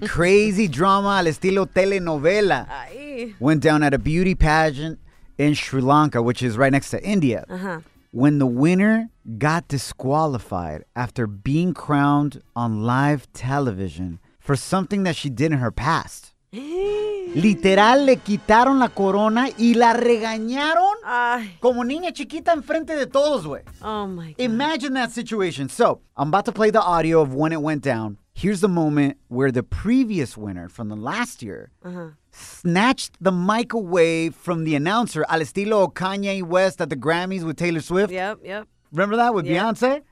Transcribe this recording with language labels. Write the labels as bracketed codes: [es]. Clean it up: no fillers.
[en] Crazy drama [es] al estilo telenovela. Ay. [en] Went down at a beauty pageant in Sri Lanka, which is right next to India. Uh-huh. When the winner got disqualified after being crowned on live television for something that she did in her past. [es] Literal, le quitaron la corona y la regañaron como niña chiquita enfrente de todos, güey. [en] Oh, my God. Imagine that situation. So, I'm about to play the audio of when it went down. Here's the moment where the previous winner from the last year snatched the mic away from the announcer, [es] al estilo [en] Kanye West at the Grammys with Taylor Swift. Yep. Remember that with Beyonce?